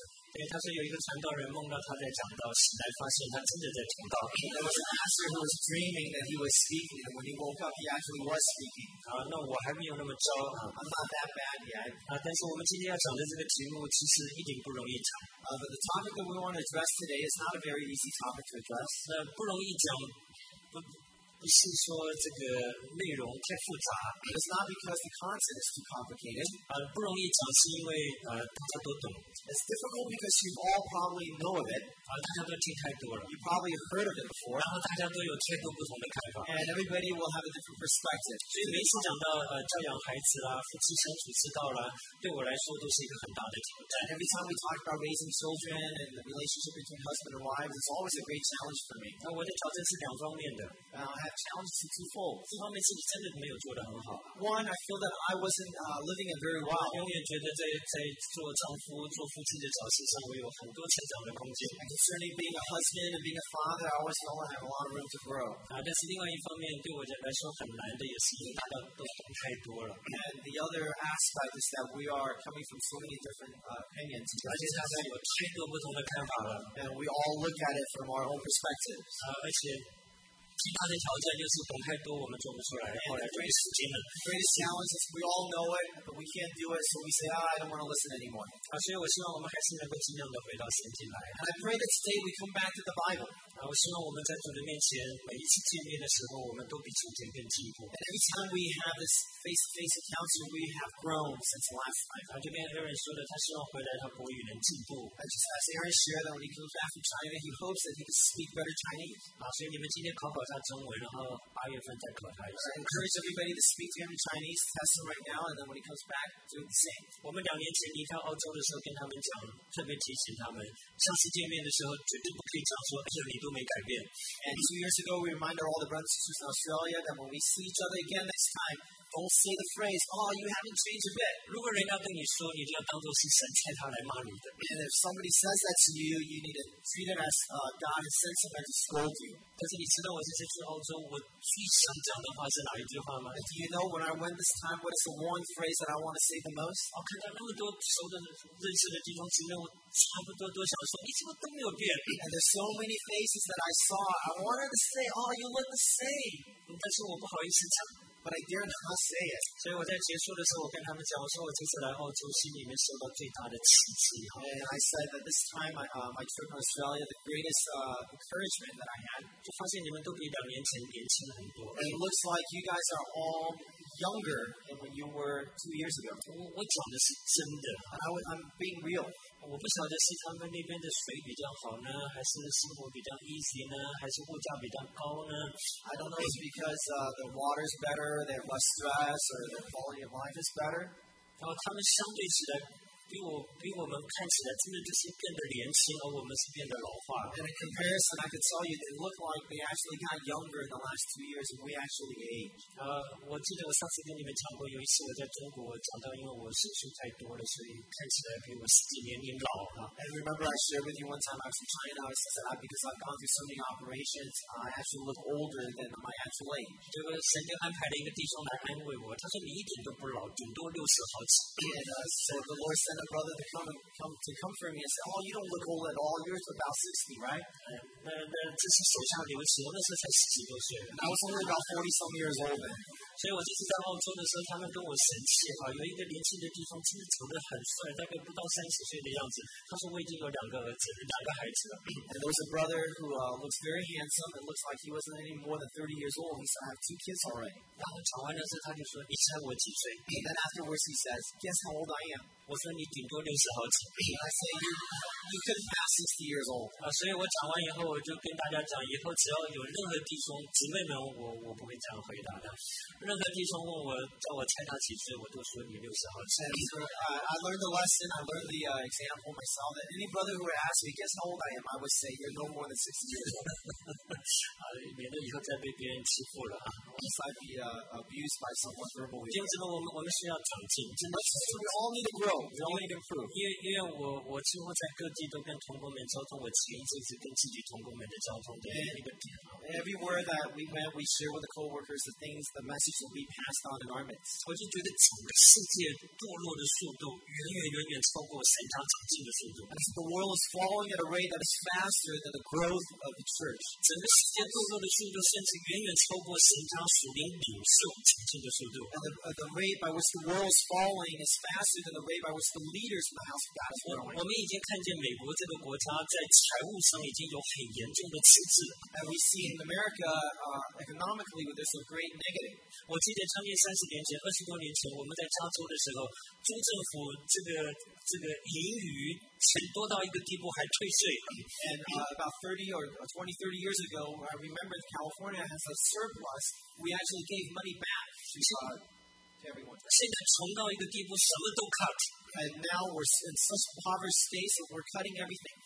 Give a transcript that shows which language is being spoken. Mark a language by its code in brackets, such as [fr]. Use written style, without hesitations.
[zh] 对，他说有一个传道人梦到他在讲道，醒来发现他真的在讲道。 [en] There was a pastor who was dreaming that he was speaking, and when he woke up, he actually was speaking. [zh] 啊，那我还没有那么糟啊。 [en] I'm not that bad yet. [zh] 啊，但是我们今天要讲的这个题目其实一点不容易讲。 [en] But the topic that we want to address today is not a very easy topic to address. [zh] 那不容易讲，不是说这个内容太复杂。 [en] It's not because the content is too complicated. [zh] 不容易讲是因为大家都懂。 [en] It's difficult because you all probably know of it. [zh] 大家都听太多了。 [en] You probably have heard of it before. [zh] 然后大家都有太多不同的看法。 [en] And everybody will have a different perspective. [zh] 所以每次讲到教养孩子啦，夫妻相处之道啦，对我来说都是一个很大的挑战。 [en] Every time we talk about raising children and the relationship between husband and wives, it's always a great challenge for me. [zh] 我的挑战是两方面的。 [en] I have challenges twofold. [zh] 一方面是你真的没有做得很好。 [en] One, I feel that I wasn't living it very well. [zh] 永远觉得在做丈夫、做父亲的角色上，我有很多成长的空间。 [en] And certainly being a husband and being a father, I always felt I had a lot of room to grow. [zh] 但是另外一方面，对我来说很难的也是因为大家都懂太多了。 [en] And the other aspect is that we are coming from so many different opinions. [zh] 而且大家有太多不同的看法了。 [en] And we all look at it from our own perspectives. [zh] 而且其他的挑战就是懂太多，我们做不出来，后来就没时间了。 [en] The greatest challenge is we all know it, but we can't do it, so we say, "I don't want to listen anymore." [zh] 所以我希望我们还是能够尽量的回到圣经来。 [en] And I pray that today we come back to the Bible. [zh] 我希望我们在主的面前每一次见面的时候，我们都比从前更进步。 [en] And every time we have this face-to-face encounter, we have grown since last time. [zh] 就跟 Aaron 说的，他希望回来他国语能进步。 [en] And just as Aaron shared that when he comes back from China, he hopes that he can speak better Chinese. [zh] 所以你们今天考考。 [en] I encourage everybody to speak to him in Chinese, test him right now, and then when he comes back, do the same. [zh] 我们两年前离开澳洲的时候，跟他们讲，特别提醒他们，上次见面的时候绝对不可以讲说，哎呀，你都没改变。 [en] And 2 years ago, we reminded all the brothers and sisters in Australia that when we see each other again next time, don't say the phrase, "Oh, you haven't changed a bit." [zh] 如果人家跟你说，你就要当做是神差他来骂你的。 [en] And if somebody says that to you, you need to treat it as God has sent someone to scold you. [zh] 可是你知道我是。这次澳洲，我最想讲的话是哪一句话吗 [en] ？Do you know when I went this time, what is the one phrase that I want to say the most？ [zh] 我看到那么多熟的、认识的弟兄姊妹，我差不多都想说，你怎么都没有变 [en] ？And there's so many faces that I saw, I wanted to say, "Oh, you look the same." [zh] 但是我不好意思讲。 [en] But I dare not say it. [zh] 所以我在结束的时候，我跟他们讲，我说我这次来澳洲，心里面受到最大的刺激。 [en] And I said that this time, my trip to Australia, the greatest encouragement that I had. [zh] 就发现你们都比两年前年轻很多。 [en] And it looks like you guys are all younger than when you were 2 years ago. [zh] 我讲的是真的。 [en] And I'm being real. [zh] 我不晓得是他们那边的水比较好呢，还是生活比较 easy 呢，还是物价比较高呢 [en] ？I don't know. It's because the water's better. Their less stress or their quality of life is better. [zh] 他们相对起来比我们看起来真的就是变得年轻，而我们是变得老化。 [en] And in comparison, I could tell you they look like they actually got younger in the last 2 years, and we actually aged. [zh] 我记得我上次跟你们讲过，有一次我在中国讲到，因为我事情太多了，所以看起来比我实际年龄老了。 [en] And remember, I shared with you one time I was in China. I said that because I've gone through so many operations, I actually look older than my actual age. [zh] 结果神就安排了一个弟兄来安慰我，他说你一点都不老，顶多60好几。 [en] So the Lord said. And a brother to come for me and say, "Oh, you don't look old at all. You're about 60, right?" And I was only about 40-some years old. [zh] 所以我这次在澳洲的时候，他们跟我神气哈，有一个年轻的弟兄，真的长得很帅，大概不到30岁的样子。他说我已经有两个孩子了。 [en] And there was a brother who looks very handsome and looks like he wasn't any more than 30 years old. He said, "I have 2 kids already." [zh] 然后吵完的时候，他就说：“你猜我几岁？” [en] And then afterwards he says, "Guess how old I am." [zh] 我说你顶多60好几。 [en] I say you couldn't pass 60 years old. [zh] 所以我讲完以后，我就跟大家讲，以后只要有任何弟兄姊妹们，我不会这样回答的。任何弟兄问我叫我猜他几岁，我都说你60好几。 [en] So, I learned the lesson. I learned the example myself. That any brother who would ask me, "Guess how old I am?" I would say, "You're no more than 60 years old." [zh] 免得以后再被别人欺负了。 [en] If I be abused by someone verbally. [zh] 因为这个我们需要长进，真的。 [en] So we all need to grow. We all need to improve. [zh] 因为我几乎在各地都跟同工们交通，我前一阵子跟自己同工们的交通的一个点。 [en] Everywhere that we went, we share with the coworkers the things, the message. will be passed on in our midst. [zh] 我就觉得整个世界堕落的速度远远远远超过神他长进的速度。 [en] As the world is falling at a rate that is faster than the growth of the church. [zh] 整个世界堕落的速度甚至远远超过神他属灵领袖长进的速度。 [en] And the rate by which the world is falling is faster than the rate by which the leaders in the house of God are growing. [zh] 我们已经看见美国这个国家在财务上已经有很严重的赤字。 [en] And we see in America, economically, there's a great negative. [zh] 我记得将近三十年前，二十多年前，我们在加州的时候，州政府这个盈余钱多到一个地步，还退税。 [en] And about 30 years ago, I remember California has a surplus. We actually gave money back to everyone. [zh] 现在穷到一个地步，什么都 cut。 [en] And now we're in such a poverty state, so we're cutting everything.